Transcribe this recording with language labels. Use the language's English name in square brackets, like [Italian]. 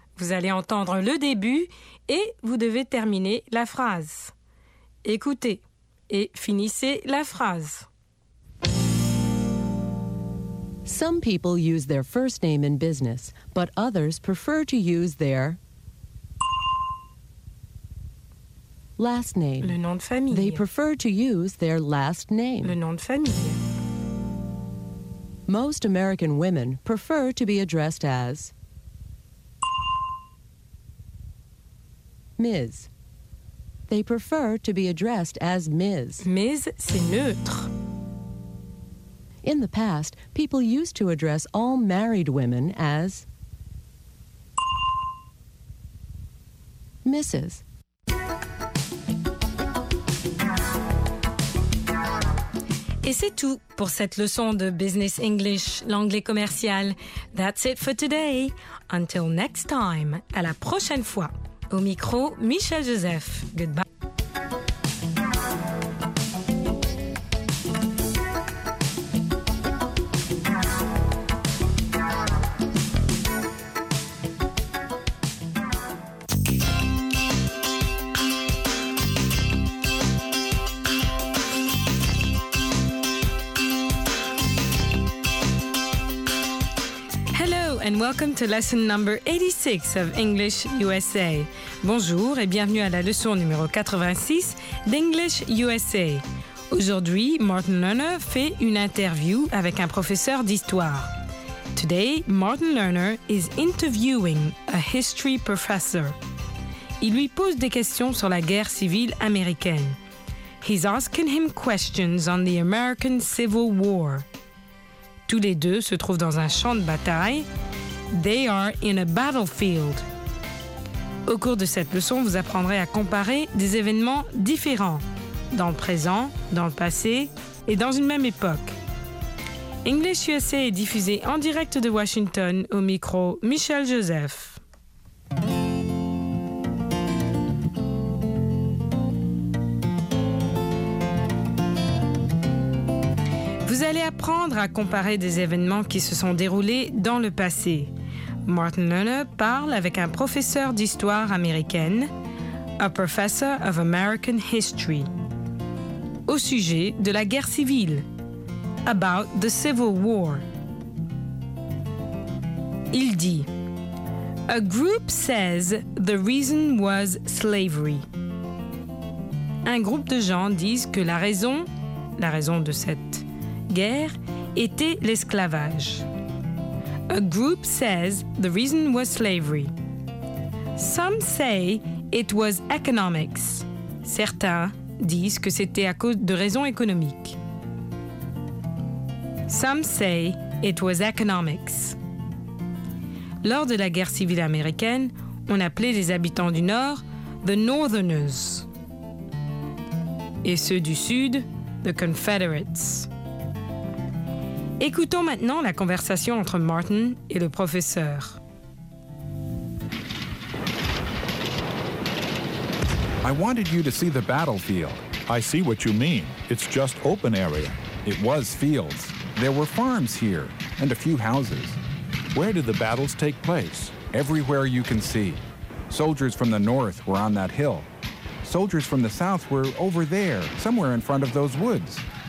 [French] Vous allez entendre le début et vous devez terminer la phrase. Écoutez et finissez la phrase. [English] Some people use their first name in business, but others prefer to use their last name. [French] Le nom de famille. [English] They prefer to use their last name. [French] Le nom de famille. [English] Most American women prefer to be addressed as Ms. They prefer to be addressed as Ms. [French] Ms, c'est neutre. [English] In the past, people used to address all married women as Mrs. [French] Et c'est tout pour cette leçon de Business English, l'anglais commercial. [English] That's it for today. Until next time, [French] à la prochaine fois. Au micro, Michel Joseph. Goodbye. [English] And welcome to lesson number 86 of English USA. [French] Bonjour et bienvenue à la leçon numéro 86 d'English USA. Aujourd'hui, Martin Lerner fait une interview avec un professeur d'histoire. [English] Today, Martin Lerner is interviewing a history professor. [French] Il lui pose des questions sur la guerre civile américaine. [English] He's asking him questions on the American Civil War. [French] Tous les deux se trouvent dans un champ de bataille. [English] They are in a battlefield. [French] Au cours de cette leçon, vous apprendrez à comparer des événements différents, dans le présent, dans le passé et dans une même époque. English USA est diffusé en direct de Washington au micro Michel Joseph. Vous allez apprendre à comparer des événements qui se sont déroulés dans le passé. Martin Lerner parle avec un professeur d'histoire américaine, [English] a professor of American history, [French] au sujet de la guerre civile, [English] about the Civil War. [French] Il dit, [English] a group says the reason was slavery. [French] Un groupe de gens disent que la raison de cette guerre, était l'esclavage. [English] A group says the reason was slavery. Some say it was economics. [French] Certains disent que c'était à cause de raisons économiques. [English] Some say it was economics. [French] Lors de la guerre civile américaine, on appelait les habitants du Nord [English] the Northerners. [French] Et ceux du Sud, [English] the Confederates. [French] Écoutons maintenant la conversation entre Martin et le professeur. [English] I wanted you to see the battlefield. I see what you mean. It's just open area. It was fields. There were farms here and a few houses. Where did the battles take place? Everywhere you can see. Soldiers from the north were on that hill. Soldiers from the south were over there, somewhere in front of those woods.